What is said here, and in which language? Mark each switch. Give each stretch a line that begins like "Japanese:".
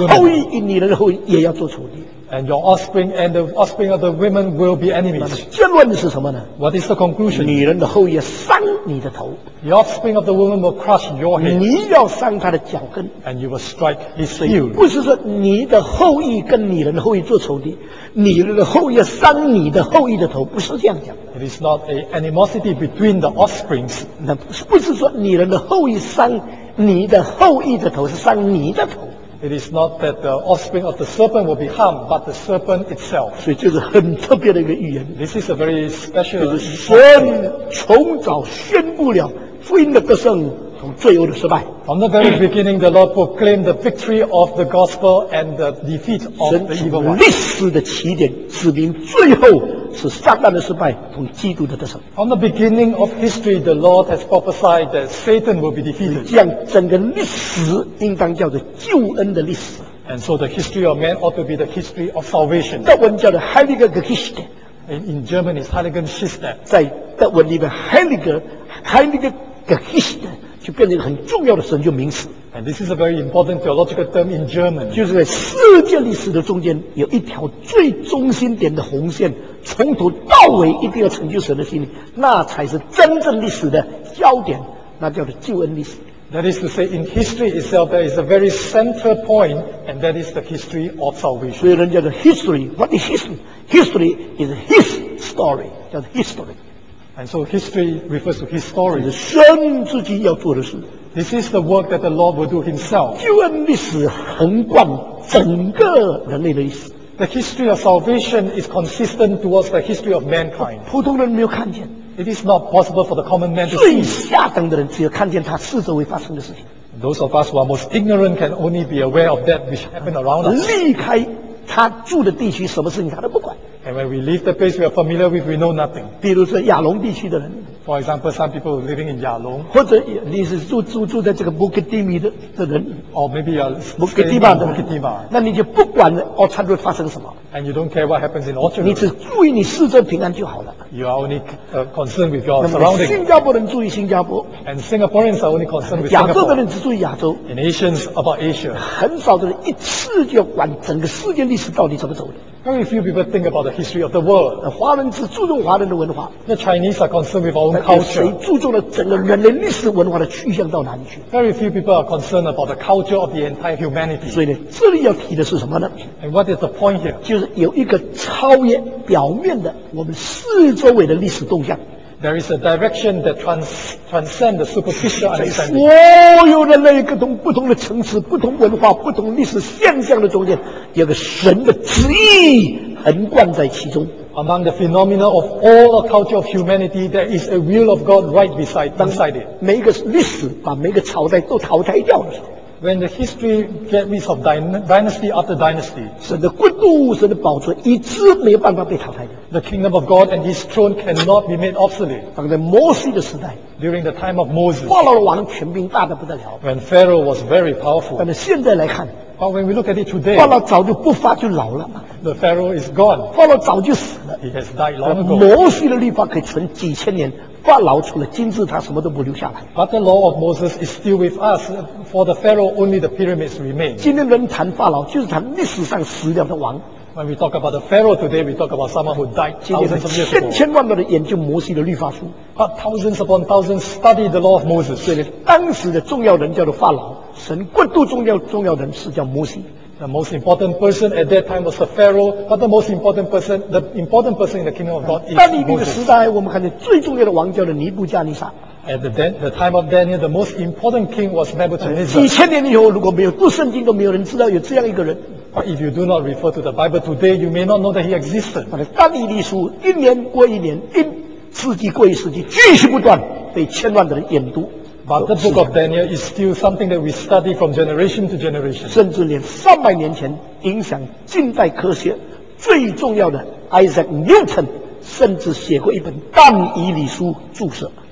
Chinese: 你的后裔与女人的后裔也要做仇敌。
English: And your offspring and the offspring of the women will be enemies.
Chinese: 结论是什么呢？
English: What is the conclusion?
Chinese: 女人的后裔伤你的头。
English: The offspring of the woman will crush your head.
Chinese: 你要伤他的脚跟。
English: And you will strike his heel.
Chinese: 不是说你的后裔跟女人的后裔做仇敌，女人的后裔伤你的后裔的头，不是这样讲。
English: It is not an animosity between the offsprings.
Chinese: 那不是说女人的后裔伤你的后裔的头，是伤你的头。
English: It is not that the offspring of the serpent will be harmed, but the serpent itself.
Chinese: 所以这是很特别的一个预言。
English: This is a very special.
Chinese: 就是神从早宣布了福音的得胜和罪恶的失败。
English: From the very beginning, the Lord proclaimed the victory of the gospel and the defeat of the evil one.
Chinese: 神从历史的起点指明最后是撒旦的失败和基督的得胜。
English: From the beginning of history, the Lord has prophesied that Satan will be defeated.
Chinese: 这样整个历史应当叫做救恩的历史。
English: And so the history of man ought to be the history of salvation.
Chinese: 德文叫做 Heilige Geschichte.
English: In German, it's Heilige Geschichte.
Chinese: 在德文里面 Heilige Geschichte. 就变成一个很重要的神就名词。
English: And this is a very important theological term in German.
Chinese: 就是在世界历史的中间有一条最中心点的红线，从头到尾一定要成就神的心意，那才是真正历史的焦点，那叫做救恩历史。
English: That is to say, in history itself, there is a very central point, and that is the history of salvation.
Chinese: 所以人叫做 history.
English: What is history? History is his story.
Chinese: 叫做
English: history. And so history refers to his story.
Chinese: 是神自己要做的事。
English: This is the work that the Lord will do himself.
Chinese: 救恩历史横贯整个人类的历史。
English: The history of salvation is consistent towards the history of mankind.
Chinese: 普通人没有看见。
English: It is not possible for the common man to see.
Chinese: 最下等的人只有看见他四周围发生的事情。
English: Those of us who are most ignorant can only be aware of that which happened around us.
Chinese: 离开他住的地区，什么事情他都不管。
English: And when we leave the place we are familiar with, we know nothing.
Chinese: 比如说亚龙地区的人。
English: For example, some people living in 亚龙。
Chinese: 或者你是住在这个 Bukit Timi 的人。
English: Or maybe you're staying in Bukit Timi.
Chinese: 那你就不管 Orchard Road 发生什么。
English: And you don't care what happens in Orchard
Chinese: Road. 你只注意你四周平安就好了。
English: You are only concerned with your surroundings.
Chinese: 新加坡人注意新加坡。
English: And Singaporeans are only concerned with Singapore.
Chinese: 亚洲的人只注意亚洲。
English: And Asians about Asia.
Chinese: 很少的人一次就要管整个世界历史到底怎么走的。
English: Very few people think about the history of the world.
Chinese: 华人只注重华人的文化。
English: The Chinese are concerned with our own culture.
Chinese: 谁注重了整个人类历史文化的去向到哪里去？
English: Very few people are concerned about the culture of the entire humanity.
Chinese: 所以呢，这里要提的是什么呢？
English: And what is the point here?
Chinese: 就是有一个超越表面的我们四周围的历史动向。
English: There is a direction that transcends the superficial understanding.
Chinese: 所有人类各种不同的层次、不同文化、不同历史现象的中间，有个神的旨意横贯在其中。
English: Among the phenomena of all the culture of humanity, there is a will of God right beside it.
Chinese: 每一个历史把每个朝代都淘汰掉了。
English: When the history gets rid of dynasty after dynasty,
Chinese: 神的国度、神的宝座一直没有办法被淘汰的。
English: The kingdom of God and His throne cannot be made obsolete.
Chinese: 当在摩西的时代
English: ，during the time of Moses,
Chinese: 法老王权柄大得不得了。
English: When Pharaoh was very powerful,
Chinese: 但是现在来看
English: ，but when we look at it today,
Chinese: 法老早就不发就老了。
English: The Pharaoh is gone.
Chinese: 法老早就死了。
English: He has died long ago.
Chinese: 摩西的律法可以存几千年。法老除了金字塔什么都不留下来。
English: But the law of Moses is still with us. For the Pharaoh, only the pyramids remain.
Chinese: 今天人谈法老，就是谈历史上死掉的王。
English: When we talk about the Pharaoh today, we talk about someone who died thousands of years ago.
Chinese: 千千万万的研究摩西的律法书。
English: But thousands upon thousands study the law of Moses.
Chinese: 所以当时的重要人叫做法老，神国度重要人是叫摩西。
English: The most important person at that time was the Pharaoh, but the important person in the kingdom of God is Moses.
Chinese: 但尼布的时代，我们看见最重要的王叫做尼布加尼撒。
English: At the time of Daniel, the most important king was Nebuchadnezzar.
Chinese: 几千年以后，如果没有读圣经，都没有人知道有这样一个人。
English: But if you do not refer to the Bible today, you may not know that he existed.
Chinese: 但尼利书一年过一年，一世纪过一世纪，继续不断被千万的人研读。
English: But the book of Daniel is still something that we study from generation to generation.
Chinese: 甚至连三百年前影响近代科学最重要的 Isaac Newton 甚至写过一本《但以理书》注释。